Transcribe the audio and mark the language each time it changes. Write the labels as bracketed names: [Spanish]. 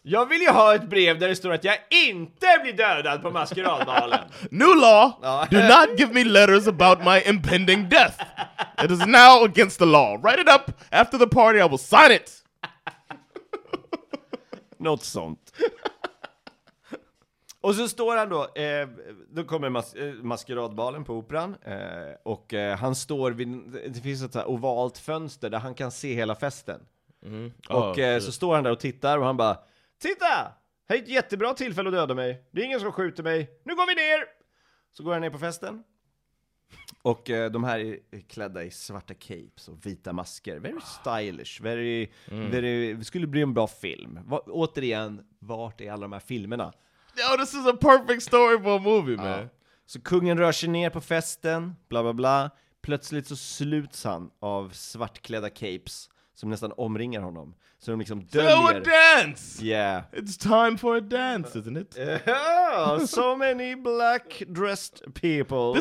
[Swedish] Jag vill ju ha ett brev där det står att jag inte blir dödad på maskeradbalen. [English] New law, do not give me letters about my impending death. It is now against the law. Write it up after the party, I will sign it. [Swedish] Något sånt. Och så står han då, då kommer maskeradbalen på operan. Och han står vid, det finns ett ovalt fönster där han kan se hela festen. Mm. Och så står han där och tittar. Och han bara, titta, här är ett jättebra tillfälle att döda mig. Det är ingen som skjuter mig, nu går vi ner. Så går han ner på festen. Och de här är klädda i svarta capes och vita masker. [English] Very stylish, very, [Swedish] det skulle bli en bra film. Återigen, vart är alla de här filmerna? [English] Yeah, this is a perfect story for a movie, man. [Swedish] Så kungen rör sig ner på festen, bla bla bla. Plötsligt så sluts han av svartklädda capes som nästan omringar honom. Så de liksom döljer. [English] So a dance! Yeah. It's time for a dance, isn't it? So many black-dressed people.